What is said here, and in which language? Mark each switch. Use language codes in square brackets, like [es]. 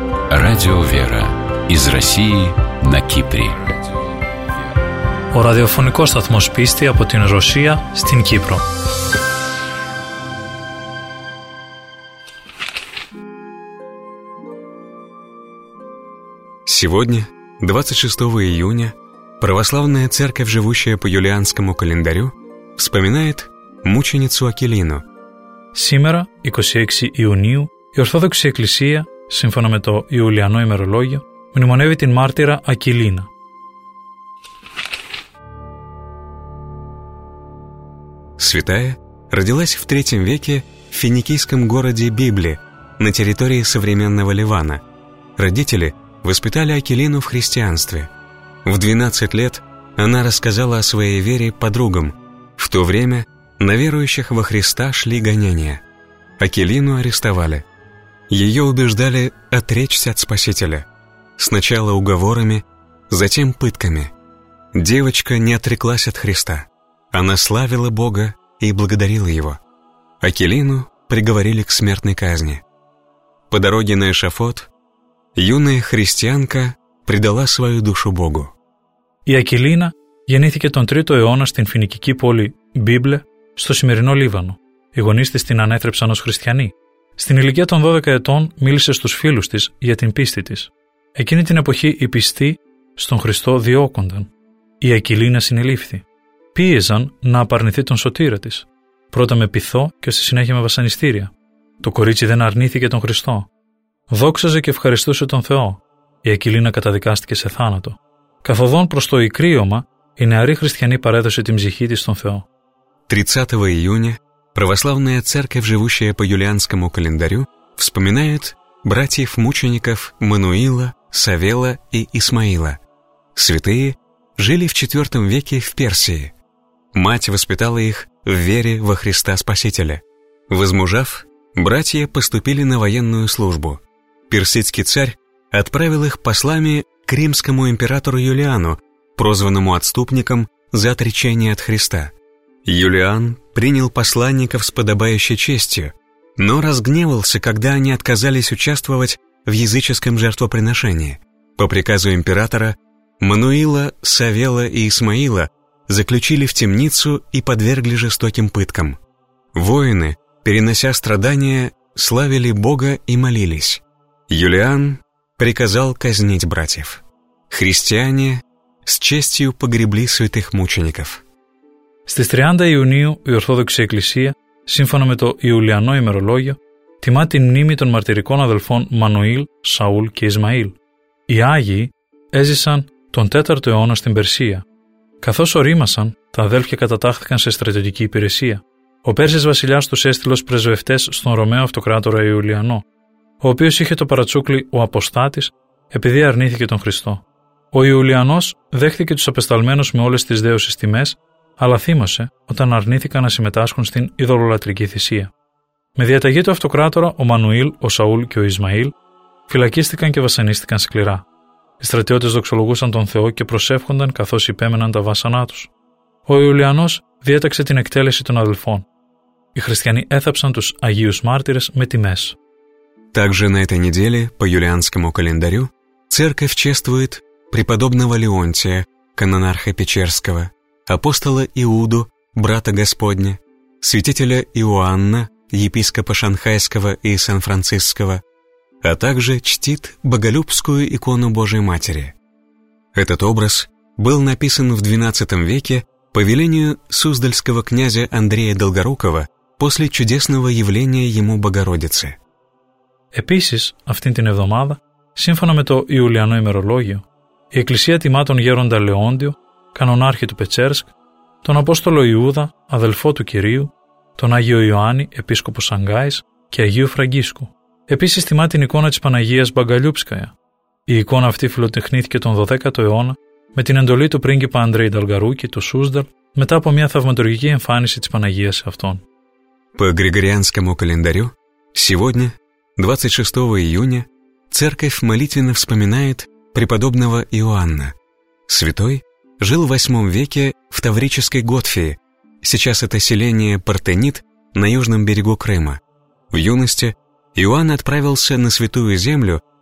[ru] Радио «Вера» из России на Кипре. [el] Ο ραδιοφωνικός σταθμός πίστη από την Ρωσία στην Κύπρο. [ru] Сегодня, 26 июня, православная церковь, живущая по юлианскому календарю, вспоминает мученицу Акилину. [el] Сήμερα, 26 Ιουνίου, η Ορθόδοξη Εκκλησία, σύμφωνα με το Ιουλιανό ημερολόγιο, μνημονεύει την μάρτυρα Ακυλίνα. [ru] Святая родилась в III веке в финикийском городе Библии на территории современного Ливана. Родители воспитали Акилину в христианстве. В 12 лет она рассказала о своей вере подругам. В то время на верующих во Христа шли гонения. Акилину арестовали. Ее убеждали отречься от Спасителя. Сначала уговорами, затем пытками. Девочка не отреклась от Христа. Она славила Бога и благодарила Его. Акилину приговорили к смертной казни. По дороге на эшафот юная христианка предала свою душу Богу. [el] Η Ακυλίνα γεννήθηκε τον 3ο αιώνα στην φινικική πόλη Μπίμπλε, στο σημερινό Λίβανο. Οι γονείς της την ανέθρεψαν ως χριστιανή. Στην ηλικία των 12 ετών μίλησε στους φίλους της για την πίστη της. Εκείνη την εποχή οι πιστοί στον Χριστό διώκονταν. Η Ακυλίνα συνελήφθη. Πίεζαν να απαρνηθεί τον σωτήρα της. Πρώτα με πειθό και στη συνέχεια με βασανιστήρια. Το κορίτσι δεν αρνήθηκε τον Χριστό. Δόξαζε και ευχαριστούσε τον Θεό. Η Ακυλίνα καταδικάστηκε σε θάνατο. Καθοδόν προς το ικρίωμα, η νεαρή χριστιανή παρέδωσε την ψυχή της στον Θεό. 30 Ιούνιου, [ru] православная церковь, живущая по юлианскому календарю, вспоминает братьев-мучеников Мануила, Савела и Исмаила. Святые жили в IV веке в Персии. Мать воспитала их в вере во Христа Спасителя. Возмужав, братья поступили на военную службу. Персидский царь отправил их послами к римскому императору Юлиану, прозванному отступником за отречение от Христа. Юлиан принял посланников с подобающей честью, но разгневался, когда они отказались участвовать в языческом жертвоприношении. По приказу императора, Мануила, Савела и Исмаила заключили в темницу и подвергли жестоким пыткам. Воины, перенося страдания, славили Бога и молились. Юлиан приказал казнить братьев. Христиане с честью погребли святых мучеников. [el] Στις 30 Ιουνίου η Ορθόδοξη Εκκλησία, σύμφωνα με το Ιουλιανό ημερολόγιο, τιμά την μνήμη των μαρτυρικών αδελφών Μανουήλ, Σαούλ και Ισμαήλ. Οι Άγιοι έζησαν τον 4ο αιώνα στην Περσία. Καθώς ορίμασαν, τα αδέλφια κατατάχθηκαν σε στρατιωτική υπηρεσία. Ο Πέρσης βασιλιάς τους έστειλε ως πρεσβευτές στον Ρωμαίο Αυτοκράτορα Ιουλιανό, ο οποίος είχε το παρατσούκλι «Ο Αποστάτης» επειδή αρνήθηκε τον Χριστό. Ο Ιουλιανός δέχθηκε τους απεσταλμένους με όλες τις δέωσεις τιμές, αλλά θύμωσε όταν αρνήθηκαν να συμμετάσχουν στην ειδωλολατρική θυσία. Με διαταγή του Αυτοκράτορα, ο Μανουήλ, ο Σαούλ και ο Ισμαήλ φυλακίστηκαν και βασανίστηκαν σκληρά. Οι στρατιώτες δοξολογούσαν τον Θεό και προσεύχονταν καθώς υπέμεναν τα βάσανά τους. Ο Ιουλιανός διέταξε την εκτέλεση των αδελφών. Οι χριστιανοί έθαψαν τους Αγίους Μάρτυρες με τιμές. [ru] Также на этой неделе, по юлианскому календарю, церковь чествует преподобного Леонтия, канонарха Печерского, апостола Иуду, брата Господня, святителя Иоанна, епископа Шанхайского и Сан-Франциского, а также чтит боголюбскую икону Божией Матери. Этот образ был написан в XII веке по велению суздальского князя Андрея Долгорукова после чудесного явления ему Богородицы. [el] Επίσης, αυτήν την εβδομάδα, σύμφωνα με το Ιουλιανό ημερολόγιο, η Εκκλησία τιμά τον Γέροντα Λεόντιο, κανονάρχη του Πετσέρσκ, τον Απόστολο Ιούδα, αδελφό του Κυρίου, τον Άγιο Ιωάννη, επίσκοπο Σανγκάης και Αγίου Φραγκίσκου. Επίσης τιμά την εικόνα της Παναγίας Μπαγκαλιούπσκαια. Η εικόνα αυτή φιλοτεχνήθηκε τον 12ο αιώνα με την εντολή του πρίγκιπα Αντρέι Νταλγαρούκη, του Σούσδαλ, μετά από μια θαυματουργική εμφάνιση της Παναγίας σε αυτόν. [ru] По Григорианскому календарю, сегодня, 26 июня, церковь молитвенно вспоминает преподобного Иоанна. Святой жил в 8 веке в Таврической Готфии, сейчас это селение Партенит на южном берегу Крыма. В юности Иоанн отправился на Святую Землю